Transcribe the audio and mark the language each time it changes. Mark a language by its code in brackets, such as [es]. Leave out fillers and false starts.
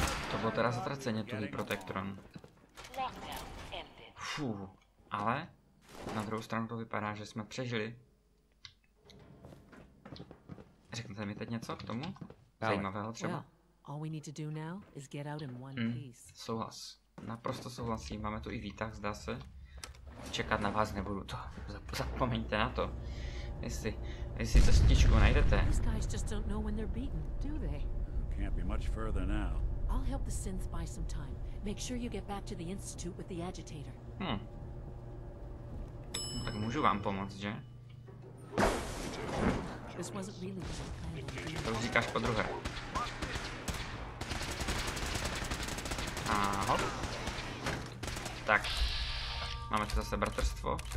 [cs] To bylo teda zatraceně tuhý protektron. Fuh, ale na druhou stranu to vypadá, že jsme přežili. Řeknete mi teď něco k tomu? Zajímavého třeba? [en] All we need to do now is get out in one piece. [cs] Souhlas. Naprosto souhlasím. Máme tu i výtah, zdá se. Čekat na vás nebudu to. Zapomeňte na to. Jestli to stičku najdete. [en] These guys just don't know when they're beaten, do they? Can't be much further now. I'll help the synths buy some time. Make sure you get back to the institute with the agitator. [cs] No, tak můžu vám pomoct, že? [en] This wasn't really what I planned. [cs] To už říkáš po druhé. Aho. Tak, máme tu zase bratrstvo.